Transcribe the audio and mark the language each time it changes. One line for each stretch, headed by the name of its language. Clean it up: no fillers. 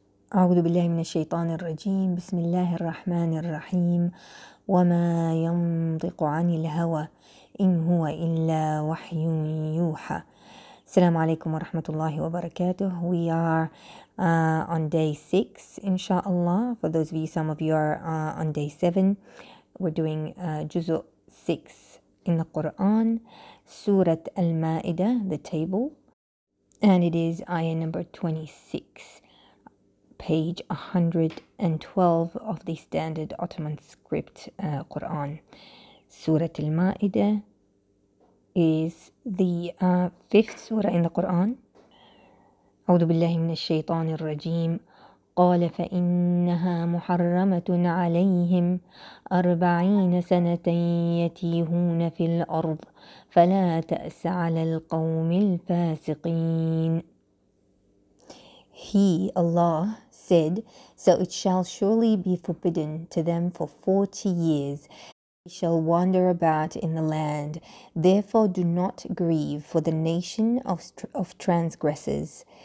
Arabic: أعوذ بالله من الشيطان الرجيم. بسم الله الرحمن الرحيم. وما ينطق عن الهوى إن هو إلا وحي يوحى. السلام عليكم ورحمة الله وبركاته.
English: We are on day 6
Arabic: إن شاء الله.
English: For those of you, some of you are on day 7. We're doing جزء 6 in the Quran, سورة المائدة, the table. And it is ayah number 26. Page 112 of the standard Ottoman script Quran. Surah Al-Ma'idah is the fifth surah in the Quran.
Arabic: أعوذ بالله من الشيطان الرجيم. قال فإنها محرمة عليهم 40 سنة يتيهون في الأرض فلا تأس على القوم الفاسقين.
English: He, Allah, said, so it shall surely be forbidden to them for 40 years. They shall wander about in the land. Therefore, do not grieve for the nation of transgressors.